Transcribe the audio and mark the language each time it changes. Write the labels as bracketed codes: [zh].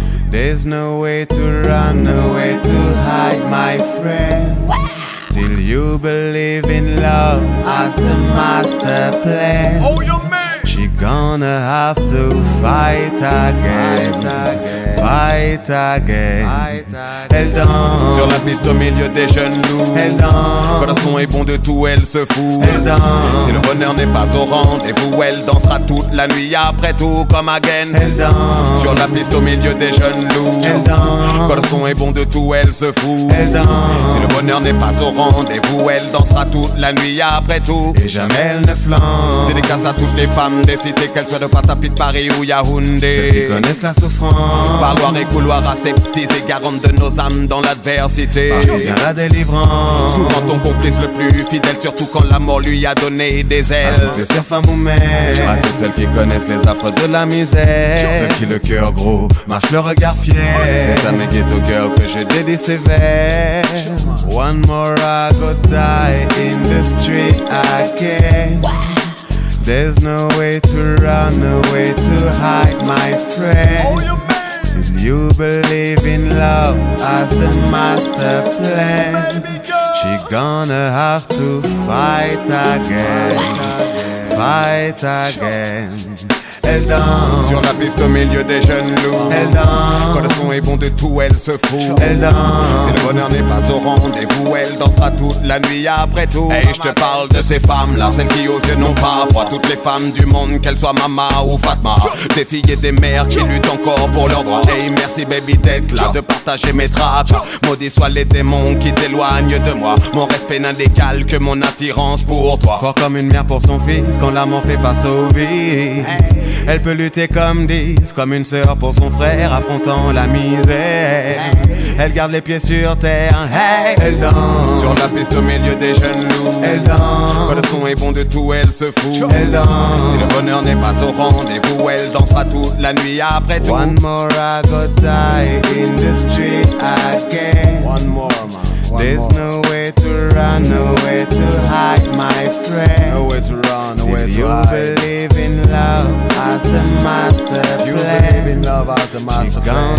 [en] There's no way to run away to hide, my friend. Till you believe in love as the master plan. Oh, your man. She gonna have to fight again. Fight again. Fight again. [fr] Elle danse sur la piste au milieu des jeunes loups. Elle danse. Quand le son est bon de tout, elle se fout. Elle danse. Si le bonheur n'est pas au rendez-vous, elle dansera toute la nuit après tout comme again. Elle danse sur la piste au milieu des jeunes loups. Elle danse. Quand le son est bon de tout, elle se fout. Elle danse. Si le bonheur n'est pas au rendez-vous, elle dansera toute la nuit après tout. Et jamais elle ne flanche. Dédicace à toutes les femmes des cités, qu'elles soient de Patapi, de Paris ou Yaoundé. Ceux qui connaissent la souffrance. Parloir et couloir aseptisé, garante de nos âmes dans l'adversité. Paris vient la délivrance. Souvent ton complice le plus fidèle, surtout quand l'amour lui a donné des ailes. Avec plaisir, femme ou mère. À toutes celles qui connaissent les affres de la misère. Sur celles qui le cœur gros marche le regard fier. C'est à mes guettes au cœur que j'ai dédié ces vers. [en] One more I go die in the street again. There's no way to run away to hide, my friend. You believe in love as the master plan. She gonna have to fight again. Fight again. [fr] Elle danse sur la piste au milieu des jeunes loups. Elle danse. Quand le son est bon de tout, elle se fout. Elle danse. Si le bonheur n'est pas au rendez-vous, elle dansera toute la nuit après tout. Hey, je te parle de ces femmes-là, celles qui aux yeux n'ont pas froid. Toutes les femmes du monde, qu'elles soient Mama ou Fatma. Des filles et des mères qui luttent encore pour leurs droits. Hey, merci baby d'être là, de partager mes traces. Maudits soient les démons qui t'éloignent de moi. Mon respect n'a d'égal que mon attirance pour toi. Fort comme une mère pour son fils, quand l'amour fait face au vice. Elle peut lutter comme 10, comme une sœur pour son frère, affrontant la misère. Elle garde les pieds sur terre, hey. Elle danse sur la piste au milieu des jeunes loups. Elle danse. Quand le son est bon de tout, elle se fout. Elle danse. Si le bonheur n'est pas au rendez-vous, elle dansera toute la nuit après tout. [en] One more I gotta die in the street again. One more, man. There's no way to run, no way to hide, my friend. No way to run, no way to hide. You believe in love as a master plan. You believe in love as a master plan.